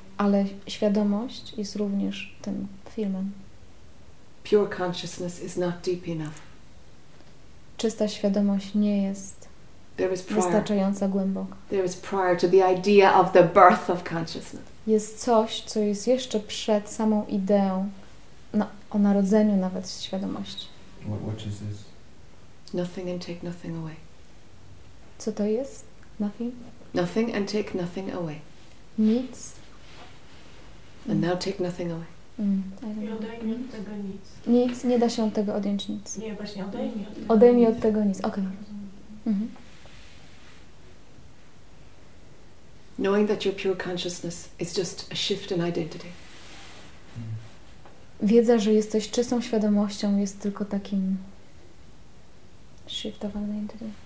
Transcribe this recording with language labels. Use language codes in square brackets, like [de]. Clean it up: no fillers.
[pl] Ale świadomość jest również tym filmem. [en] Pure consciousness is not deep enough. [pl] Czysta świadomość nie jest wystarczająco głęboka. [en] There is prior to the idea of the birth of consciousness. [pl] Jest coś, co jest jeszcze przed samą ideą o narodzeniu nawet świadomości. [en] What is this? Nothing and take nothing away. [pl] Co to jest? [en] Nothing? Nothing and take nothing away. [pl] Nic. [en] And now take nothing away. [pl] Nie odejmij od tego nic. Nie da się od tego odjąć nic. Nie, właśnie odejmij. Odejmij od tego nic. Okej. Okay. [en] Knowing that your pure consciousness is just a shift in identity. [pl] Wiedza, że jesteś czystą świadomością, jest tylko takim [en] shift of identity.